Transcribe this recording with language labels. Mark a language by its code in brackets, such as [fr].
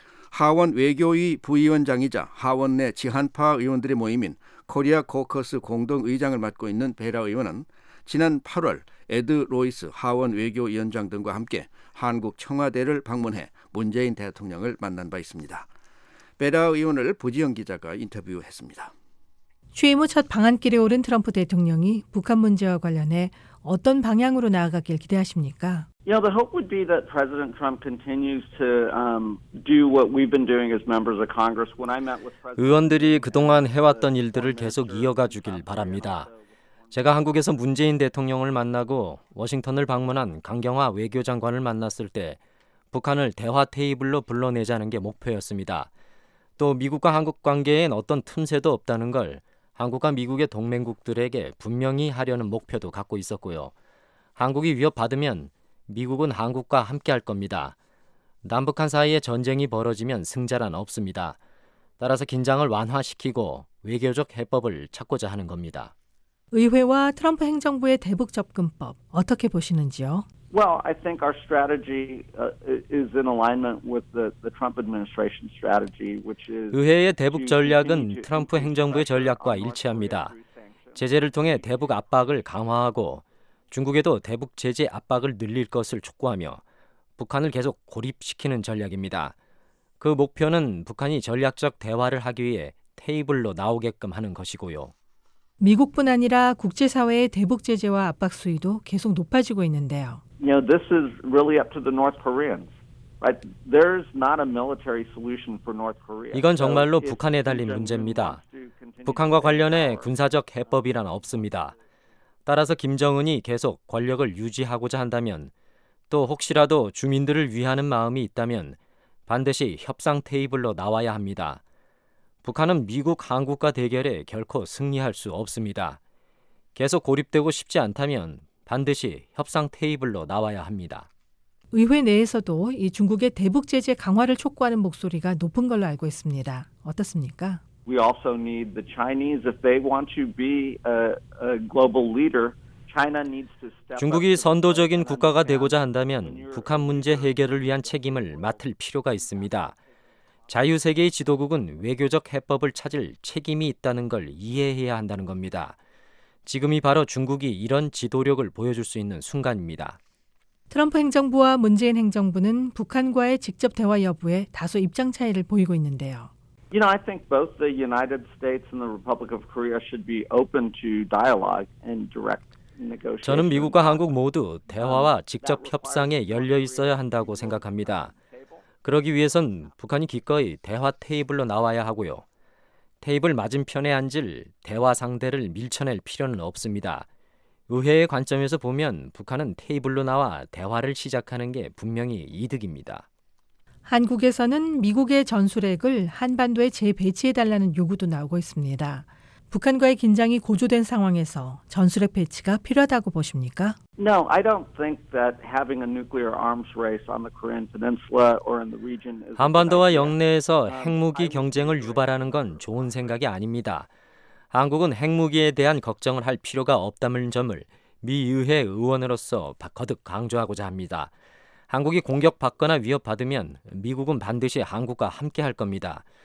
[ko] 하원 외교위 부위원장이자 하원 내 지한파 의원들의 모임인 코리아 코커스 공동의장을 맡고 있는 베라 의원은 지난 8월 에드 로이스 하원 외교위원장 등과 함께 한국 청와대를 방문해 문재인 대통령을 만난 바 있습니다. 베라 의원을 부지영 기자가 인터뷰했습니다. 취임 후 첫 방한길에 오른 트럼프 대통령이 북한 문제와 관련해 어떤 방향으로 나아가길 기대하십니까? [en] Yeah, the hope would be that President Trump continues to do what we've been doing as members of Congress. When I met with President, [ko] 의원들이 그동안 해왔던 일들을 계속 이어가 주길 바랍니다. 제가 한국에서 문재인 대통령을 만나고 워싱턴을 방문한 강경화 외교장관을 만났을 때 북한을 대화 테이블로 불러내자는 게 목표였습니다. 또 미국과 한국 관계엔 어떤 틈새도 없다는 걸 한국과 미국의 동맹국들에게 분명히 하려는 목표도 갖고 있었고요. 한국이 위협받으면 미국은 한국과 함께할 겁니다. 남북한 사이에 전쟁이 벌어지면 승자란 없습니다. 따라서 긴장을 완화시키고 외교적 해법을 찾고자 하는 겁니다. 의회와 트럼프 행정부의 대북 접근법 어떻게 보시는지요? [en] Well, I think our strategy is in alignment with the Trump administration strategy, which is [ko] 의회의 대북 전략은 트럼프 행정부의 전략과 일치합니다. 제재를 통해 대북 압박을 강화하고 중국에도 대북 제재 압박을 늘릴 것을 촉구하며 북한을 계속 고립시키는 전략입니다. 그 목표는 북한이 전략적 대화를 하기 위해 테이블로 나오게끔 하는 것이고요. 미국뿐 아니라 국제사회의 대북 제재와 압박 수위도 계속 높아지고 있는데요. [en] You know, this is really up to the North Koreans. Right? There's not a military solution for North Korea. [ko] 이건 정말로 북한에 달린 문제입니다. 북한과 관련해 군사적 해법이란 없습니다. 따라서 김정은이 계속 권력을 유지하고자 한다면 또 혹시라도 주민들을 위하는 마음이 있다면 반드시 협상 테이블로 나와야 합니다. 북한은 미국, 한국과 대결에 결코 승리할 수 없습니다. 계속 고립되고 싶지 않다면 반드시 협상 테이블로 나와야 합니다. 의회 내에서도 이 중국의 대북 제재 강화를 촉구하는 목소리가 높은 걸로 알고 있습니다. 어떻습니까? [en] We also need the Chinese if they want to be a global leader. China needs to step up. [ko] 중국이 선도적인 국가가 되고자 한다면 북한 문제 해결을 위한 책임을 맡을 필요가 있습니다. 자유 세계의 지도국은 외교적 해법을 찾을 책임이 있다는 걸 이해해야 한다는 겁니다. 지금이 바로 중국이 이런 지도력을 보여줄 수 있는 순간입니다. 트럼프 행정부와 문재인 행정부는 북한과의 직접 대화 여부에 다소 입장 차이를 보이고 있는데요. [en] You know, I think both the United States and the Republic of Korea should be open to dialogue and direct negotiation. [ko] 저는 미국과 한국 모두 대화와 직접 협상에 열려 있어야 한다고 생각합니다. 그러기 위해선 북한이 기꺼이 대화 테이블로 나와야 하고요. 테이블 맞은편에 앉을 대화 상대를 밀쳐낼 필요는 없습니다. 의회의 관점에서 보면 북한은 테이블로 나와 대화를 시작하는 게 분명히 이득입니다. 한국에서는 미국의 전술핵을 한반도에 재배치해달라는 요구도 나오고 있습니다. 북한과의 긴장이 고조된 상황에서 전술핵 배치가 필요하다고 보십니까? [en] No, I don't think that having a nuclear arms race on the Korean Peninsula or in the region is [ko] 한반도와 영내에서 핵무기 경쟁을 유발하는 건 좋은 생각이 아닙니다. 한국은 핵무기에 대한 걱정을 할 필요가 없다는 점을 미 의회 의원으로서 거듭 강조하고자 합니다. 한국이 공격받거나 위협받으면 미국은 반드시 한국과 함께할 겁니다.